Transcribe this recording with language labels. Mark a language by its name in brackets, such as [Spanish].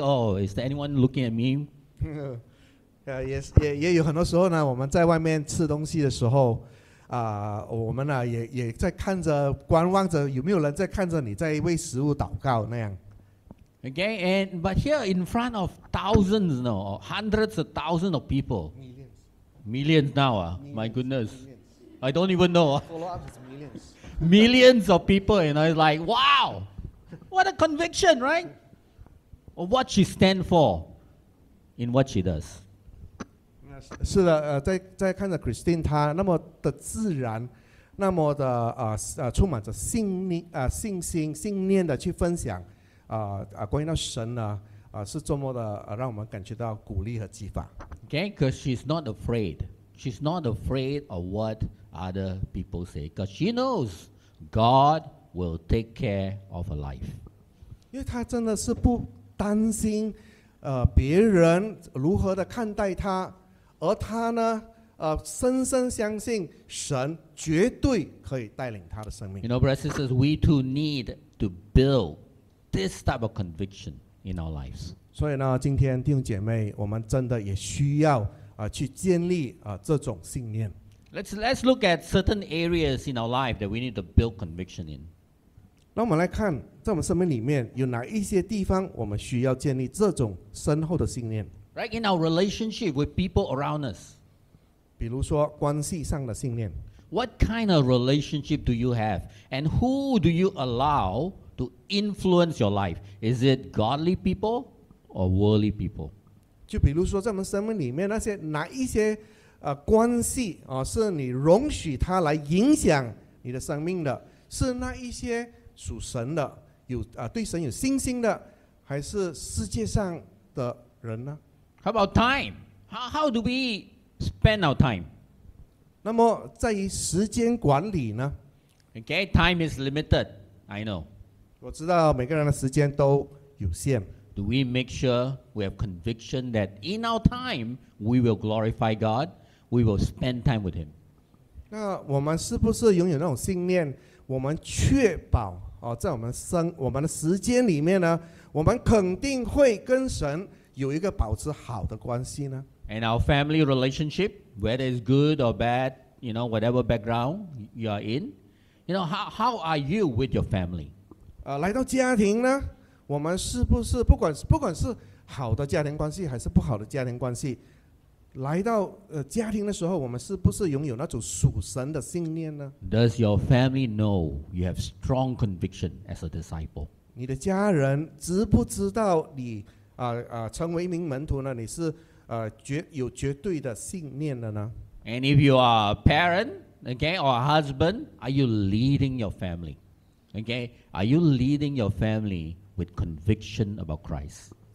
[English] Oh, is there anyone looking at me? [Chinese] 也有很多时候呢，我们在外面吃东西的时候我们也在看着观望着有没有人在看着你在为食物祷告那样。 [English] Okay, and but here in front of thousands, you know, hundreds of thousands of people, millions now, my goodness. I don't even know. Millions. Millions of people, and I was like, wow! What a conviction, right? Of what she stands for in what she does. [Chinese] 是的，在看着 Christine, 她那么的自然，那么的充满着信念信心信念的去分享关于到神呢是多么的让我们感觉到鼓励和激发。 [English] Okay, because she's not afraid. She's not afraid of what. Other people say, because she knows God will take care of her life. Because she [Chinese] 真的是不担心，别人如何的看待她，而她呢，深深相信神绝对可以带领她的生命。 [English] You know, brothers and sisters, we too need to build this type of conviction in our lives. [Chinese] 所以呢，今天弟兄姐妹，我们真的也需要去建立这种信念。 [English] Let's look at certain areas in our life that we need to build conviction in. [Chinese] 那我们来看，在我们生命里面有哪一些地方我们需要建立这种深厚的信念 [English] ？Right in our relationship with people around us. [Chinese] 比如说关系上的信念。 [English] What kind of relationship do you have, and who do you allow to influence your life? Is it godly people or worldly people? [Chinese] 就比如说在我们生命里面那些哪一些。关系是你容许他来影响你的生命的，是那一些属神的，对神有信心的，还是世界上的人呢 [English] ？How about time? How do we spend our time? [Chinese] 那么在于时间管理呢 [English] ？Okay, time is limited. I know. [Chinese] 我知道每个人的时间都有限。 [English] Do we make sure we have conviction that in our time we will glorify God? We will spend time with Him. [Chinese] 那我们是不是拥有那种信念？我们确保在我们的时间里面呢，我们肯定会跟神有一个保持好的关系呢 [English] ？And our family relationship, whether it's good or bad, you know, whatever background you are in, you know, how are you with your family? [Chinese] 来到家庭呢？我们是不是不管是好的家庭关系还是不好的家庭关系，来到家庭的时候，我们是不是拥有那种属神的信念呢 [English] ？Does your family know you have strong conviction as a disciple？ [Chinese] 你的家人知不知道你成为一名门徒呢？你是有绝对的信念的呢？ [English] And if you are a parent, okay, or a husband, are you leading your family? Okay, are you leading your family with conviction about Christ?